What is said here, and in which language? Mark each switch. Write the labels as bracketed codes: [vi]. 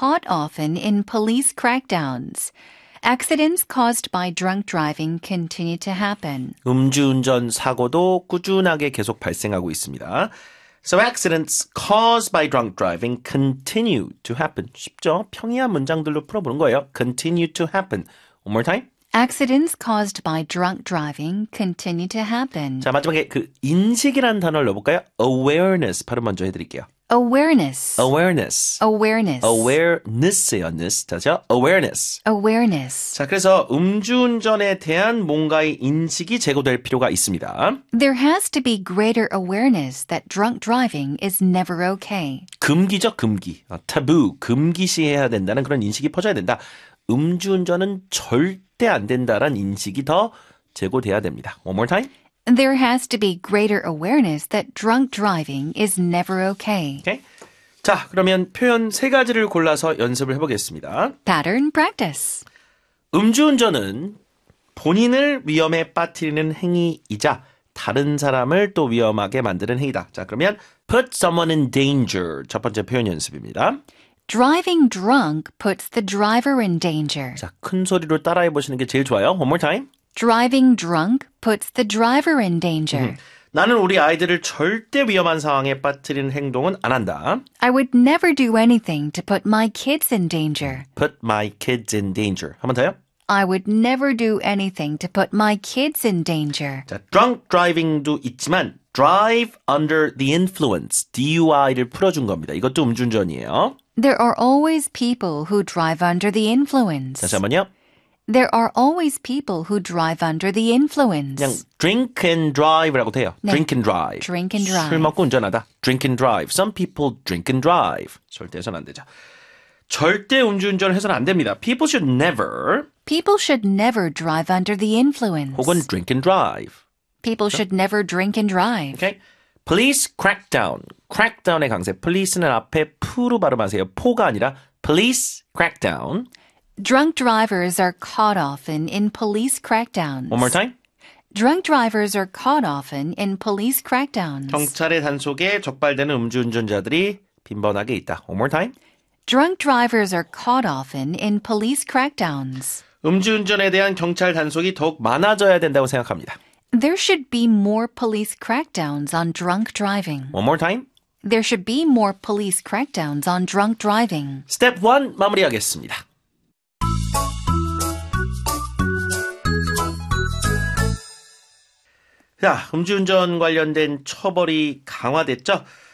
[en] often in police crackdowns. Accidents caused by drunk driving continue to happen. [ko] 음주운전 사고도 꾸준하게 계속 발생하고 있습니다. [en] So accidents caused by drunk driving continue to happen. [ko] 쉽죠? 평이한 문장들로 풀어보는 거예요. [en] Continue to happen. One more time. Accidents caused by drunk driving continue to happen. [ko] 자, 마지막에 그 인식이라는 단어를 넣어볼까요? Awareness 발음 먼저 해드릴게요. [en] Awareness. Awareness. Awareness. [ko] Awareness예요. [en] Ness. 다시요. Awareness. Awareness. [ko] 자, 그래서 음주운전에 대한 뭔가의 인식이 제거될 필요가 있습니다. [en] There has to be greater awareness that drunk driving is never okay. [ko] 금기죠, 금기. 아, taboo, 금기시해야 된다는 그런 인식이 퍼져야 된다. 음주운전은 절대 안 된다라는 인식이 더 제거돼야 됩니다. [en] One more time. There has to be greater awareness that drunk driving is never okay. Okay. [ko] 자, 그러면 표현 세 가지를 골라서 연습을 해보겠습니다. [en] Pattern practice. [ko] 음주운전은 본인을 위험에 빠뜨리는 행위이자 다른 사람을 또 위험하게 만드는 행위다. [en] 자, 그러면 put someone in danger. [ko] 첫 번째 표현 연습입니다. [en] Driving drunk puts the driver in danger. [ko] 자, 큰 소리로 따라해 보시는 게 제일 좋아요. [en] One more time. Driving drunk puts the driver in danger. [ko] 나는 우리 아이들을 절대 위험한 상황에 빠뜨리는 행동은 안 한다. [en] I would never do anything to put my kids in danger. Put my kids in danger. [ko] 한 번 더요. [en] I would never do anything to put my kids in danger. [ko] 자, drunk driving도 있지만 drive under the influence, DUI를 풀어준 겁니다. 이것도 음주운전이에요. [en] There are always people who drive under the influence. [ko] 잠시만요. [en] There are always people who drive under the influence. [ko] 그냥 drink and drive라고 돼요. [en] 네. Drink and drive. Drink and drive. [ko] 술 먹고 운전하다. Drink and drive. [en] Some people drink and drive. [ko] 절대 해서는 안 되죠. 절대 음주운전을 해서는 안 됩니다. [en] People should never. People should never drive under the influence. 혹은 drink and drive. People should never drink and drive. Okay. Police crackdown. [ko] Crackdown의 강세. Police는 앞에 푸로 발음하세요. 포가 아니라 [en] police crackdown. Drunk drivers are caught often in police crackdowns. One more time. Drunk drivers are caught often in police crackdowns. [ko] 경찰의 단속에 적발되는 음주운전자들이 빈번하게 있다. [en] One more time. Drunk drivers are caught often in police crackdowns. [ko] 음주운전에 대한 경찰 단속이 더욱 많아져야 된다고 생각합니다. [en] There should be more police crackdowns on drunk driving. One more time. There should be more police crackdowns on drunk driving. [ko] Step 1 마무리하겠습니다. Yeah, 음주운전 관련된 처벌이 강화됐죠?